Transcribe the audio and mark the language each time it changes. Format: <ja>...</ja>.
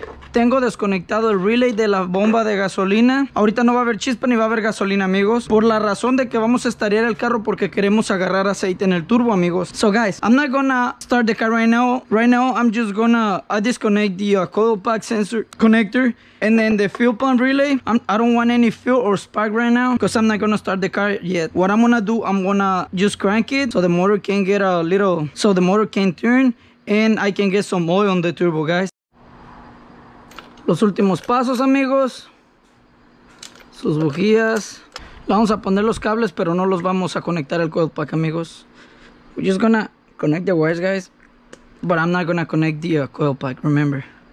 <es>Tengo desconectado el relay de la bomba de gasolina. Ahorita no va a haber chispa ni va a haber gasolina, amigos, por la razón de que vamos a estarear el carro porque queremos agarrar aceite en el turbo, amigos.</es> <en>So guys, I'm not gonna start the car right now. Right now I'm just gonna disconnect the coil pack sensor connector and then the fuel pump relay. I don't want any fuel or spark right now because I'm not gonna start the car yet. What I'm gonna do, I'm gonna just crank it so the motor can get a little, so the motor can turn and I can get some oil on the turbo, guys.</en> <es>Los últimos pasos, amigos. Sus bujías. Le vamos a poner los cables, pero no los vamos a conectar al coil pack, amigos.</es> <en>We're just gonna connect the wires, guys. But I'm not gonna connect the coil pack, remember.</en>